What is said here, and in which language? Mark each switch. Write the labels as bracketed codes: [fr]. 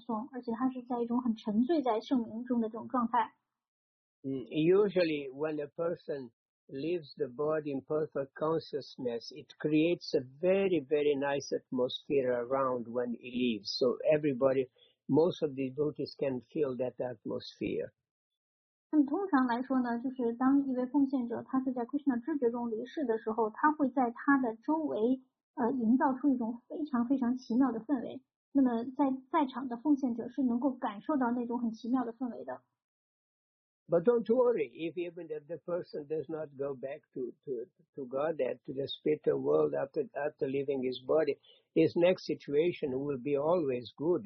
[zh] 而当他在这个离世的这个过程中，他要不然就自己在念诵，或者是在听奉献者念诵，而且他是在一种很沉醉在圣名中的这种状态。 [en] Usually, when a person leaves the body in perfect consciousness, it creates a very, very nice atmosphere around when he leaves. So everybody, most of the devotees can feel that atmosphere. [zh] 那么通常来说呢，就是当一位奉献者他是在 Krishna 知觉中离世的时候，他会在他的周围，营造出一种非常非常奇妙的氛围。那么在场的奉献者是能够感受到那种很奇妙的氛围的。 [en] But don't worry, even if the person does not go back to Godhead, to the spiritual world after leaving his body, his next situation will be always good.